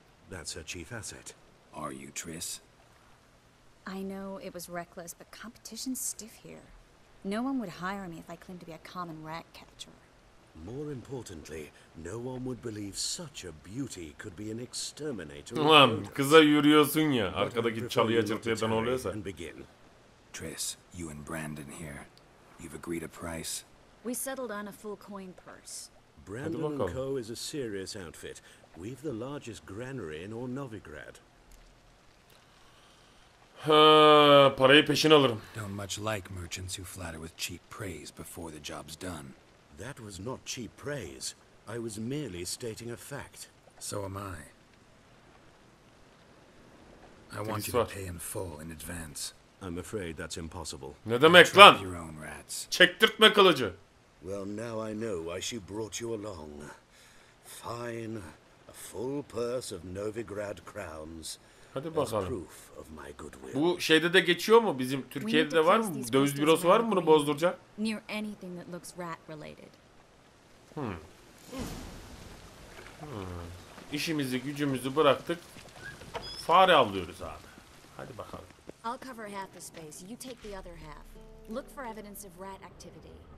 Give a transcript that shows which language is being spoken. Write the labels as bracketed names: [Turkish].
[English] That's her chief asset. Are you Triss? I know it was reckless, but competition's stiff here. No one would hire me if I claimed to be a common rat catcher. More importantly, no one would believe such a beauty could be an exterminator. [Turkish] Ulan kıza yürüyorsun ya, arkadaki çalıya çırpıya da ne oluyorsa. [English] Triss, you and Brandon here. You've agreed a price. We settled on a full coin purse. Brandon & Co. is a serious outfit. We've the largest granary in Orlovigrad. [Turkish] Ha, parayı peşin alırım. [English] Don't much like merchants who flatter with cheap praise before the job's done. That was not cheap praise. I was merely stating a fact. So am I. I want you to pay in full in advance. I'm afraid that's impossible. [Turkish] Ne demek lan? Çektirtme kılıcı. [English] Well, now I know why she brought you along. Fine, a full purse of Novigrad crowns. [Turkish] Hadi bakalım. Bu şeyde de geçiyor mu? Bizim Türkiye'de de var mı? Döviz bürosu var mı bunu bozduracak? [English] Near anything that looks rat related. [Turkish] İşimizi, gücümüzü bıraktık. Fare avlıyoruz abi. Hadi bakalım. [English] I'll cover half the space. You take the other half. Look for evidence of rat activity.